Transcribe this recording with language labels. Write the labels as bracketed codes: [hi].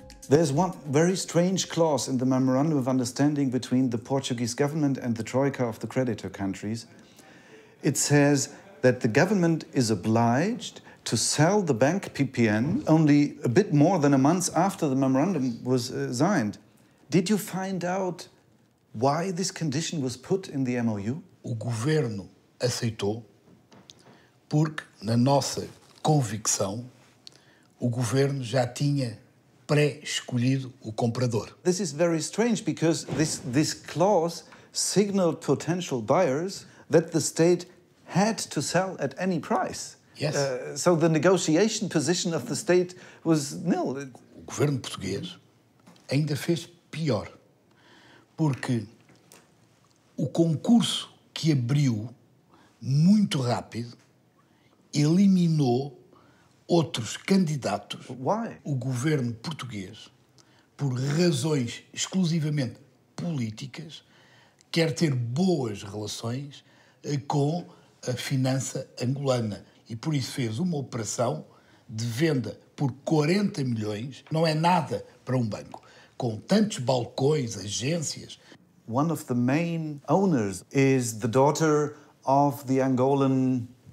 [en] There's one very strange clause in the memorandum of understanding between the Portuguese government and the Troika of the creditor countries. It says that the government is obliged to sell the bank PPN only a bit more than a month after the memorandum was signed. Did you find out why this condition was put in the MOU? [pt] O governo aceitou porque, na nossa convicção, o governo já tinha pré-escolhido o comprador. [en] This is very strange because this clause signaled potential buyers that the state had to sell at any price. Yes. So the negotiation position of the state was nil. [pt] O governo português ainda fez pior, porque o concurso que abriu muito rápido eliminou outros candidatos. [en] Why? [pt] O governo português, por razões exclusivamente políticas, quer ter boas relações com a finança angolana e por isso fez uma operação de venda por 40 milhões. Não é nada para um banco com tantos balcões, agências. [en] One of the main owners is the daughter of the Angolan